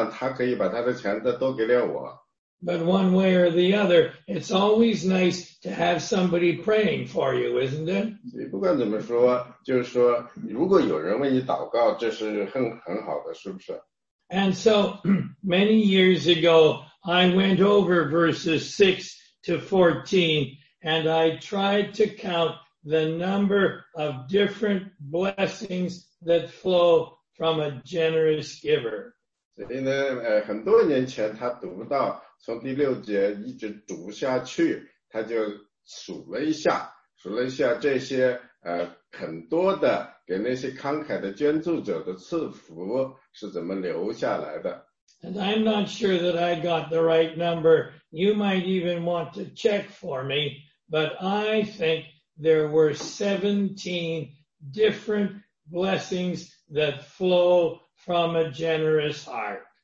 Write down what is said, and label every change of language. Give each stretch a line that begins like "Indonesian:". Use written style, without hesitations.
Chinese: 他们的祷告可能这样结束，说主啊，你可不可以给那个人更多的钱，这样他可以把他的钱再多给了我。
English: But one way or the other, it's always nice to have somebody praying for you, isn't it?
Chinese: 不管怎么说，就是说，如果有人为你祷告，这是很好的，是不是？
English: And so, many years ago, I went over verses 6 to 14, and I tried to count the number of different blessings that flow from a generous giver.
Chinese: 所以呢，很多年前他读到 从第六节一直读下去，他就数了一下，这些很多的给那些慷慨的捐助者的赐福是怎么留下来的。
English: And I'm not sure that I got the right number. You might even want to check for me, but I think there were 17 different blessings that flow from a generous heart.